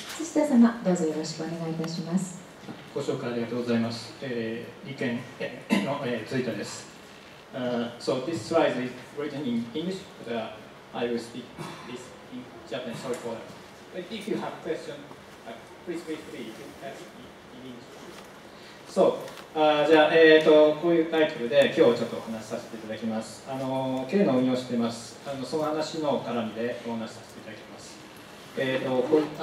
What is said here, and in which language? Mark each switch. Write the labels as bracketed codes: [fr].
[ja] 辻田様、どうぞよろしくお願いいたします。ご紹介ありがとうございます。理研の辻田です。 [en] So this slide is written in English, but I will speak this in Japanese, sorry for that. But if you have question, please feel free to ask in English. [ja] So,じゃあ、こういうタイトルで今日ちょっとお話しさせていただきます。 K の運用しています。その話の絡みでお話しさせていただきます。